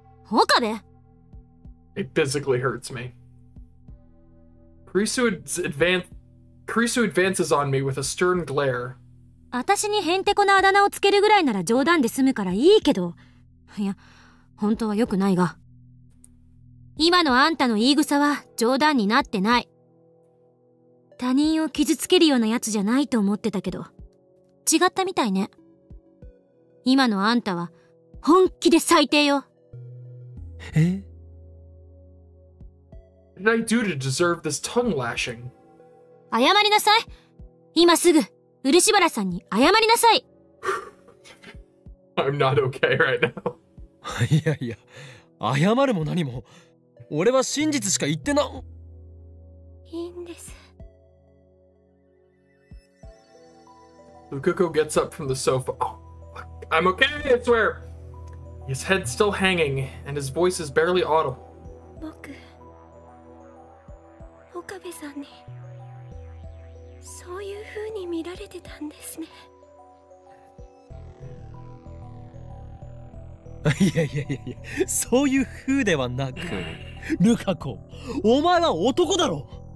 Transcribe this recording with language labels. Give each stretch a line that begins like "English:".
English: Okabe. It physically hurts me. Krisu advances on me with a stern glare.
Japanese: 私にヘンテコなあだ名をつけるぐらいなら冗談で済むからいいけど、いや本当はよくないが、今のあんたの言い草は冗談になってない。他人を傷つけるようなやつじゃないと思ってたけど、違ったみたいね。今のあんたは本気で最低よ。え？
English: What did I do to deserve this tongue lashing?
Japanese: 謝りなさい。今すぐ漆原さんに謝りなさい。
English: I'm not okay right now.
Japanese: いやいや、謝るも何も。俺は真実しか言ってな。いいんです。
English: Lukuko gets up from the sofa. Oh, I'm okay, I swear. His head still hanging, and his voice is barely audible.
Japanese: 僕、岡部さんに、そういう風に見られてたんですね。いやいやいやいや、そういう風ではなく、ルカ子、お前は男だろ。